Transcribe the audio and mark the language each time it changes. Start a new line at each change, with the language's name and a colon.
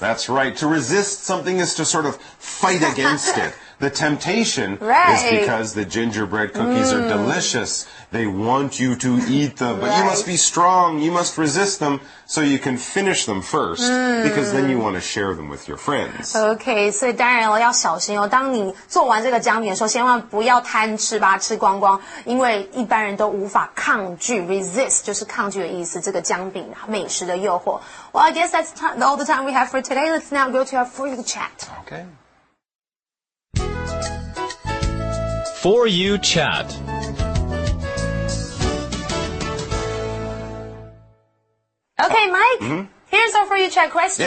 English: That's right. To resist something is to sort of fight against it. The temptation is because the gingerbread cookies are delicious. They want you to eat them. But you must be strong. You must resist them so you can finish them first. Because then you want to share them with your friends.
Chinese: Okay, 所以当然要小心哦。当你做完这个姜饼的时候千万不要贪吃吧吃光光。因为一般人都无法抗拒 resist, 就是抗拒的意思这个姜饼美食的诱惑。
English: Well, I guess that's all the time we have for today. Let's now go to our free chat. Okay. For You Chat. Okay, Mike, here's our For You Chat question.